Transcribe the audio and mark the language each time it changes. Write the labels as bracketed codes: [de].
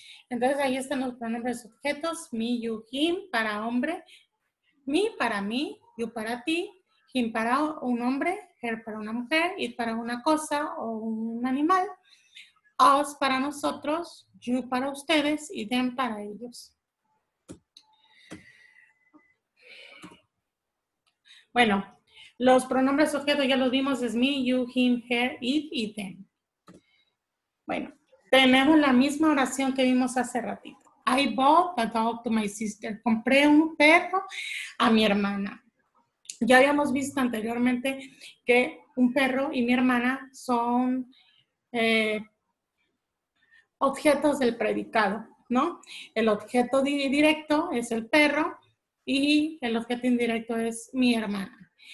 [es] Entonces, ahí están los pronombres objetos, me, you, him, para hombre, me, para mí, you, para ti, him, para un hombre, her, para una mujer, it, para una cosa o un animal, us, para nosotros, you, para ustedes, y them, para ellos. Bueno, los pronombres objetos ya los vimos, es me, you, him, her, it, y them. Bueno. Tenemos la misma oración que vimos hace ratito. [en] I bought a dog to my sister. [es] Compré un perro a mi hermana. Ya habíamos visto anteriormente que un perro y mi hermana son objetos del predicado, ¿no? El objeto directo es el perro y el objeto indirecto es mi hermana.